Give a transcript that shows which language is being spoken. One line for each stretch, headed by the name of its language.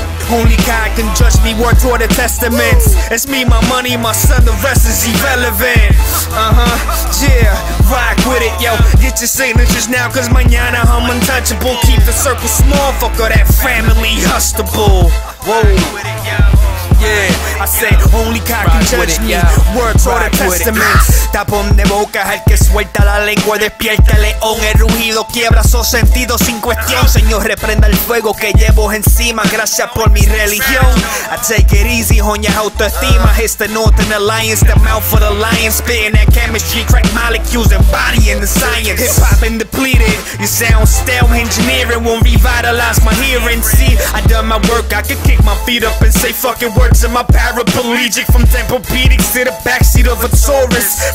English: Only God can judge me, work toward the testaments. It's me, my money, my son, the rest is irrelevant. Yeah, rock with it, yo. Get your signatures now, cause mañana I'm untouchable. Keep the circle small, fuck all that family, hustable. Whoa. yeah. I say only God can judge me. Words are the testament.
Spanish: Tapón de boca es el que suelta la lengua. Despierta el león, el rugido quiebra sus sentidos sin cuestión. Señor, reprenda el fuego que llevo encima. Gracias por mi religión.
English: I take it easy, joña autoestima. It's the northern alliance, the mouth of the lion. Spitting that chemistry, crack molecules, embodying the science. Hip hop and depleted, you sound stale. Engineering won't revitalize my hearing. See, I done my work, I could kick my feet up and say fucking words. And my paraplegic from temple beatings to the backseat of a Taurus.